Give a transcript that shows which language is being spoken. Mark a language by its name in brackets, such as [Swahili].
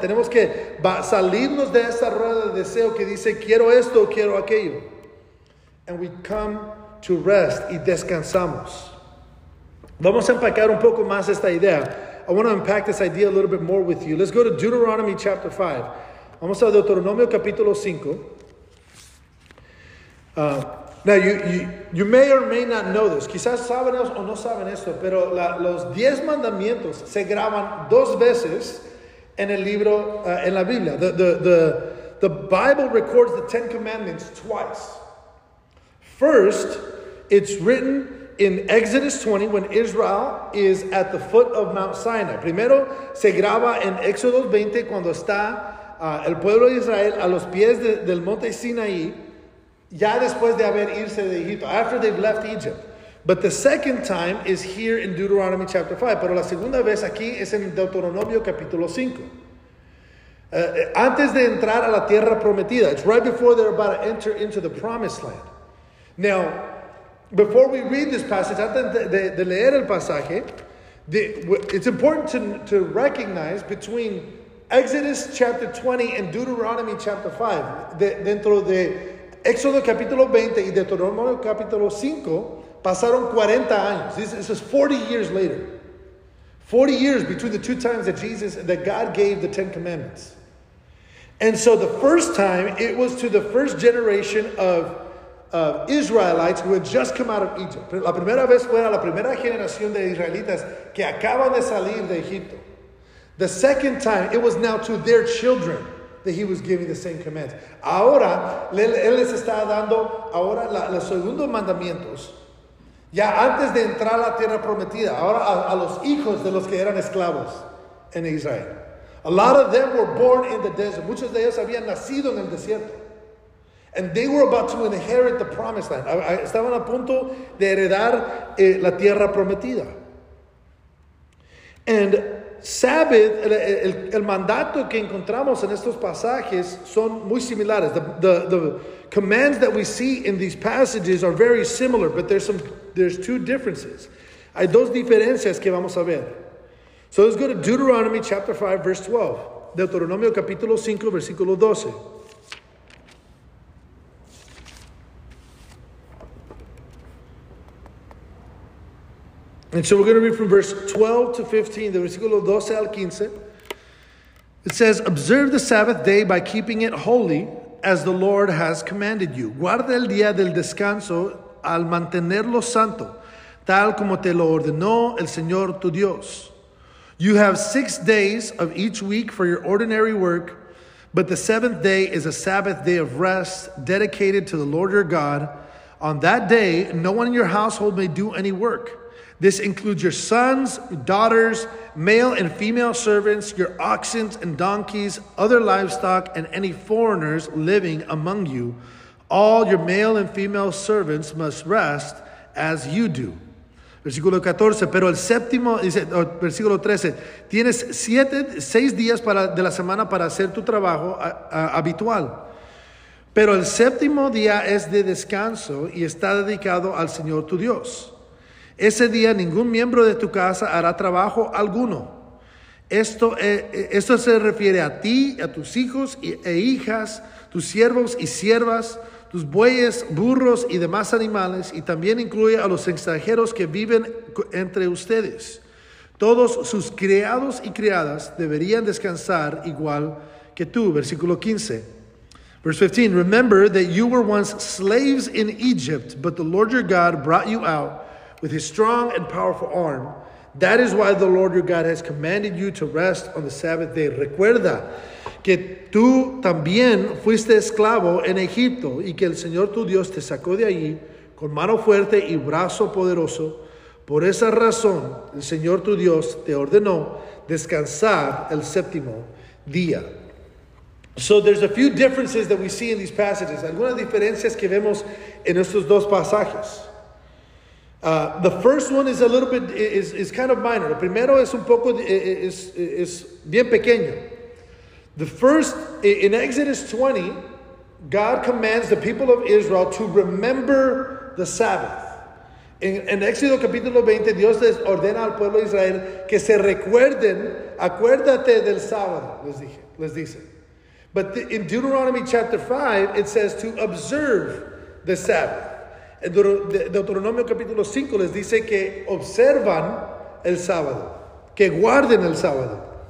[Spanish] Tenemos que salirnos de esa rueda de deseo que dice quiero esto o quiero aquello. [English] And we come to rest [Spanish] y descansamos. Vamos a empacar un poco más esta idea. [English] I want to unpack this idea a little bit more with you. Let's go to Deuteronomy chapter 5. [Spanish] Vamos a Deuteronomio capítulo 5. [English] Now, you may or may not know this. [Spanish] Quizás saben o no saben esto, pero los 10 mandamientos se graban dos veces en el libro, en la Biblia. [English] The Bible records the 10 commandments twice. First, it's written in Exodus 20 when Israel is at the foot of Mount Sinai. [Spanish] Primero, se graba en Éxodo 20 cuando está el pueblo de Israel a los pies del monte Sinaí. Ya después de haber irse de Egipto, [English] after they've left Egypt. But the second time is here in Deuteronomy chapter 5. [Spanish] Pero la segunda vez aquí es en Deuteronomio capítulo 5. Antes de entrar a la tierra prometida. [English] It's right before they're about to enter into the promised land. Now, before we read this passage, [Spanish] antes de leer el pasaje, [English] it's important to recognize between Exodus chapter 20 and Deuteronomy chapter 5. [Spanish] Dentro de Éxodo capítulo 20 y Deuteronomio capítulo 5, pasaron 40 años. [English] This is 40 years later. 40 years between the two times that God gave the Ten Commandments. And so the first time, it was to the first generation of Israelites who had just come out of Egypt. [Spanish] La primera vez fue a la primera generación de Israelitas que acaban de salir de Egipto. [English] The second time, it was now to their children that he was giving the same commands. [Spanish] Ahora, él les está dando ahora los segundos mandamientos. Ya antes de entrar a la tierra prometida, ahora a los hijos de los que eran esclavos en Israel. [English] A lot of them were born in the desert. [Spanish] Muchos de ellos habían nacido en el desierto. [English] And they were about to inherit the promised land. [Spanish] Estaban a punto de heredar la tierra prometida. And Sabbath, el mandato que encontramos en estos pasajes son muy similares. [English] The commands that we see in these passages are very similar, but there's two differences. [Spanish] Hay dos diferencias que vamos a ver. [English] So let's go to Deuteronomy chapter 5, verse 12. [Spanish] Deuteronomio capítulo 5, versículo 12. [English] And so we're going to read from verse 12 to 15, the [Spanish] versículo 12 al 15. [English] It says, observe the Sabbath day by keeping it holy as the Lord has commanded you. [Spanish] Guarda el día del descanso al mantenerlo santo, tal como te lo ordenó el Señor tu Dios. [English] You have 6 days of each week for your ordinary work, but the seventh day is a Sabbath day of rest dedicated to the Lord your God. On that day, no one in your household may do any work. This includes your sons, daughters, male and female servants, your oxen and donkeys, other livestock, and any foreigners living among you. All your male and female servants must rest as you do. [Spanish] Versículo 14, pero el séptimo, dice, versículo 13, tienes seis días de la semana para hacer tu trabajo habitual. Pero el séptimo día es de descanso y está dedicado al Señor tu Dios. Ese día ningún miembro de tu casa hará trabajo alguno. Esto se refiere a ti, a tus hijos e hijas, tus siervos y siervas, tus bueyes, burros y demás animales, y también incluye a los extranjeros que viven entre ustedes. Todos sus criados y criadas deberían descansar igual que tú. Versículo 15. [English] Verse 15. Remember that you were once slaves in Egypt, but the Lord your God brought you out with his strong and powerful arm. That is why the Lord your God has commanded you to rest on the Sabbath day. [Spanish] Recuerda que tú también fuiste esclavo en Egipto y que el Señor tu Dios te sacó de allí con mano fuerte y brazo poderoso. Por esa razón, el Señor tu Dios te ordenó descansar el séptimo día. [English] So there's a few differences that we see in these passages. [Spanish] Algunas diferencias que vemos en estos dos pasajes. [English] The first one is a little bit, is kind of minor. [Spanish] El primero es un poco, es bien pequeño. [English] The first, in Exodus 20, God commands the people of Israel to remember the Sabbath. [Spanish] En Éxodo capítulo 20, Dios les ordena al pueblo de Israel que se recuerden, acuérdate del sábado, les dice. [English] But in Deuteronomy chapter 5, it says to observe the Sabbath. [Spanish] Deuteronomio capítulo 5 les dice que observan el sábado, que guarden el sábado.